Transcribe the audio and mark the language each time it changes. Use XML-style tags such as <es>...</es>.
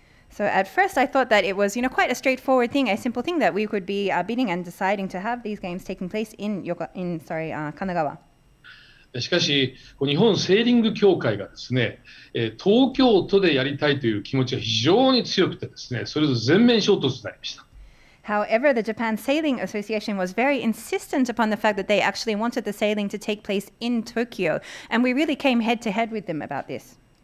<en>So at first I thought that it was, you know, quite a straightforward thing, a simple thing that we could be bidding and deciding to have these games taking place in Kanagawa.</en> <ja>しかし、日本セーリング協会がですね、東京都でやりたいという気持ちが非常に強くてですね、それと全面衝突になりました。</ja> <en>However, the Japan Sailing Association was very insistent upon the fact that they actually wanted the sailing to take place in Tokyo, and we really came head to head with them about this.</en>